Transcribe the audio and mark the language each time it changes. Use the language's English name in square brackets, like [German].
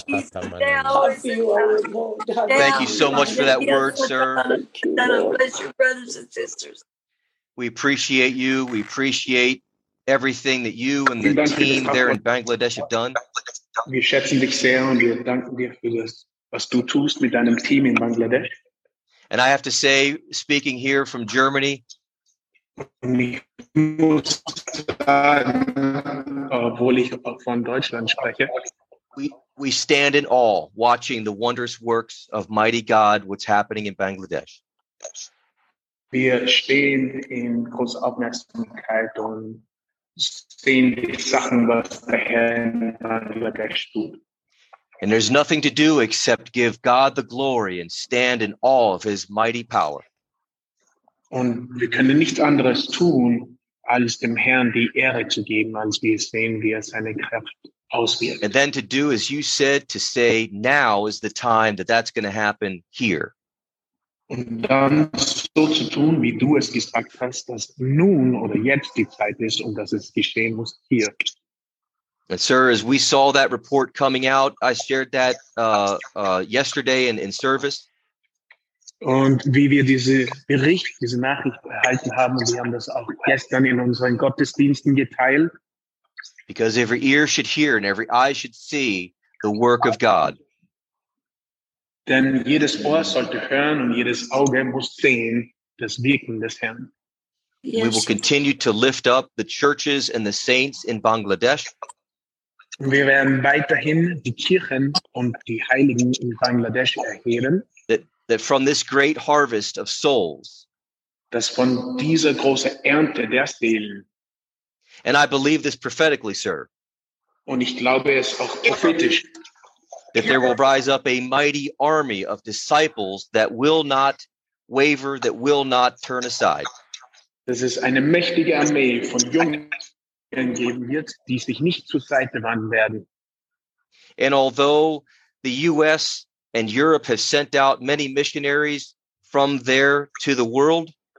[English] Thank you so much for that word, sir. God bless you, brothers and sisters. We appreciate you. We appreciate everything that you and the team there in Bangladesh have done. [German] Wir schätzen dich sehr und wir danken dir für das, was du tust mit deinem Team in Bangladesh. [English] And I have to say, speaking here from Germany, we stand in awe watching the wondrous works of mighty God, what's happening in Bangladesh. [German] Wir stehen in großer Aufmerksamkeit und sehen die Sachen, was der Herr in Bangladesh tut. [English] And there's nothing to do except give God the glory and stand in awe of his mighty power. [German] Und wir können nichts anderes tun, als dem Herrn die Ehre zu geben, als wir sehen, wie er seine Kraft auswirkt. [English] And then to do, as you said, to say, now is the time that that's going to happen here. [German] Und dann so zu tun, wie du es gesagt hast, dass nun oder jetzt die Zeit ist und dass es geschehen muss hier. [English] And sir, as we saw that report coming out, I shared that yesterday in service. [German] Und wie wir diese Bericht, diese Nachricht erhalten haben, wir haben das auch gestern in unseren Gottesdiensten geteilt. [English] Because every ear should hear and every eye should see the work of God. [German] Denn jedes Ohr sollte hören und jedes Auge muss sehen das Wirken des Herrn. [English] Yes. We will continue to lift up the churches and the saints in Bangladesh. [German] Wir werden weiterhin die Kirchen und die Heiligen in Bangladesch erheben. [English] That from this great harvest of souls. [German] Dass von dieser großen Ernte der Seelen. [English] And I believe this prophetically, sir. [German] Und ich glaube es auch prophetisch. [English] That there will rise up a mighty army of disciples that will not waver, that will not turn aside. [German] Das ist eine mächtige Armee von Jungen geben wird, die sich nicht zur Seite wandeln werden. [English] And although the U.S. and Europe have sent out many missionaries from there to the world,